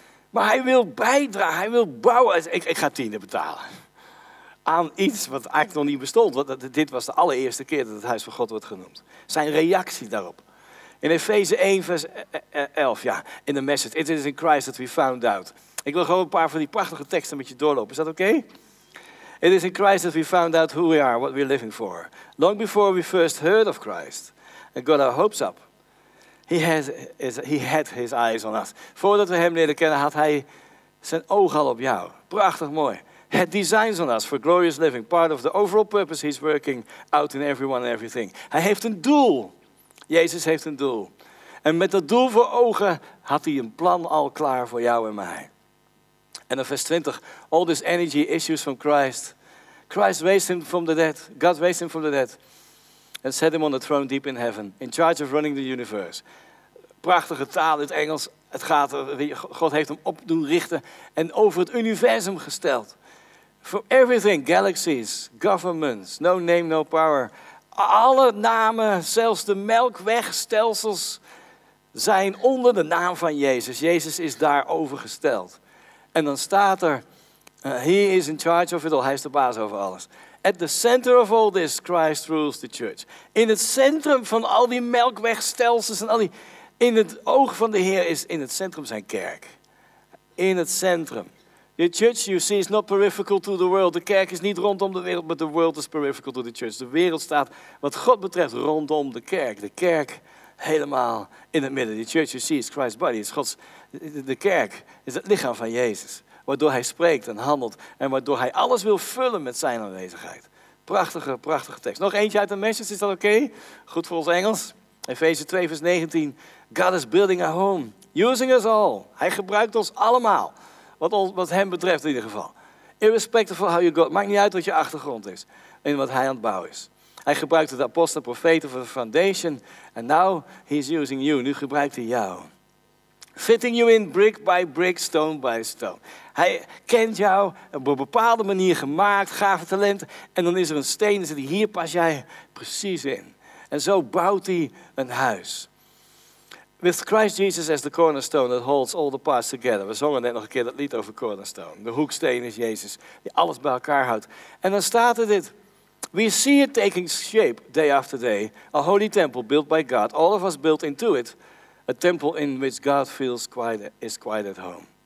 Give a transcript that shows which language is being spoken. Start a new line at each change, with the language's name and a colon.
Dutch: Maar hij wil bijdragen, hij wil bouwen. Ik ga tiende betalen aan iets wat eigenlijk nog niet bestond. Want dit was de allereerste keer dat het huis van God wordt genoemd. Zijn reactie daarop. In Efeze 1 vers 11, ja, in de message,
English: it is in Christ that we found out.
Dutch: Ik wil gewoon een paar van die prachtige teksten met je doorlopen. Is dat oké?
English: It is in Christ that we found out who we are, what we're living for. Long before we first heard of Christ and got our hopes up, he had his eyes on us.
Dutch: Voordat we hem leren kennen, had hij zijn oog al op jou. Prachtig mooi.
English: Had designs on us for glorious living. Part of the overall purpose he's working out in everyone and everything.
Dutch: Hij heeft een doel. Jezus heeft een doel. En met dat doel voor ogen had hij een plan al klaar voor jou en mij. En dan vers 20,
English: all this energy issues from Christ. Christ raised him from the dead. God raised him from the dead. And set him on the throne deep in heaven. In charge of running the universe.
Dutch: Prachtige taal in het Engels. Het gaat, God heeft hem op doen richten. En over het universum gesteld.
English: For everything, galaxies, governments, no name, no power.
Dutch: Alle namen, zelfs de melkwegstelsels, zijn onder de naam van Jezus. Jezus is daarover gesteld. En dan staat er,
English: he is in charge of it all.
Dutch: Hij is de baas over alles.
English: At the center of all this, Christ rules the church.
Dutch: In het centrum van al die melkwegstelsels en al die... In het oog van de Heer is in het centrum zijn kerk. In het centrum.
English: The church, you see, is not peripheral to the world.
Dutch: De kerk is niet rondom de wereld,
English: but the world is peripheral to the church.
Dutch: De wereld staat, wat God betreft, rondom de kerk. De kerk helemaal in het midden.
English: The church, you see, is Christ's body.
Dutch: Is Gods, de kerk is het lichaam van Jezus. Waardoor hij spreekt en handelt. En waardoor hij alles wil vullen met zijn aanwezigheid. Prachtige, prachtige tekst. Nog eentje uit de Message, is dat oké? Okay? Goed voor ons Engels. Efeze 2, vers 19.
English: God is building a home. Using us all.
Dutch: Hij gebruikt ons allemaal. Wat hem betreft in ieder geval.
English: Irrespective of how you go.
Dutch: Maakt niet uit wat je achtergrond is. En wat hij aan het bouwen is. Hij gebruikte de apostelen, profeten voor de foundation.
English: And now he's using you.
Dutch: Nu gebruikt hij jou.
English: Fitting you in brick by brick, stone by stone.
Dutch: Hij kent jou, op een bepaalde manier gemaakt, gave talent. En dan is er een steen en zit hij, hier pas jij precies in. En zo bouwt hij een huis.
English: With Christ Jesus as the cornerstone that holds all the parts together.
Dutch: We zongen net nog een keer dat lied over cornerstone. De hoeksteen is Jezus, die alles bij elkaar houdt. En dan staat er dit.
English: We see it taking shape day after day. A holy temple built by God. All of us built into it. A temple in which God feels quite, is quite at home.